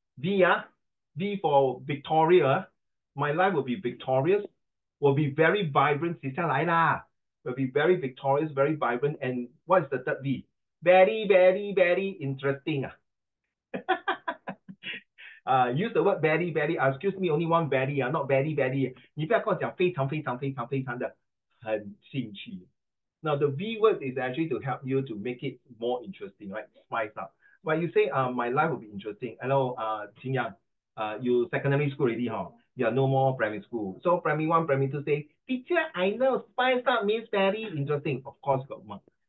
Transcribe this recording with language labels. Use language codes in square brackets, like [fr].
[en] V for Victoria. My life will be victorious, will be very vibrant. [zh] 接下来啦, [en] will be very victorious, very vibrant. And what is the third V? Very, very, very interesting. Use the word very, very. Excuse me, only one very, not very, very. [zh] 你不要跟我讲非常非常非常非常的很兴趣. [en] Now, the V word is actually to help you to make it more interesting, right? Spice up. But you say, my life will be interesting. Hello, Qingyang, you secondary school already, huh? You are no more primary school. So, primary one, primary two say, teacher, I know spice up means very interesting. Of course, got mark.